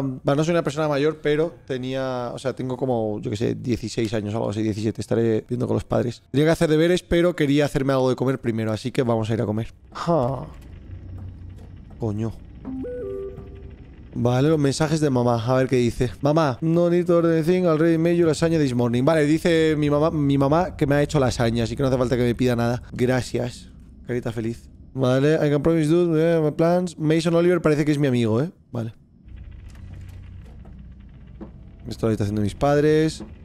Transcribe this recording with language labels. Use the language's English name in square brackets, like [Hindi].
[Spanish] Bueno, no soy una persona mayor, pero tenía... O sea, tengo como, yo qué sé, 16 años o algo así, 17. Estaré viendo con los padres. Tenía que hacer deberes, pero quería hacerme algo de comer primero. Así que vamos a ir a comer. Coño. Vale, los mensajes de mamá, a ver qué dice. [English] Mamá, no need to order anything, already made you lasagna this morning. [Spanish] Vale, dice mi mamá que me ha hecho lasaña, así que no hace falta que me pida nada. Gracias, carita feliz. Vale, [English] I can promise dude, my plans. [Spanish] Mason Oliver parece que es mi amigo, ¿eh? Vale. Esto lo está haciendo mis padres.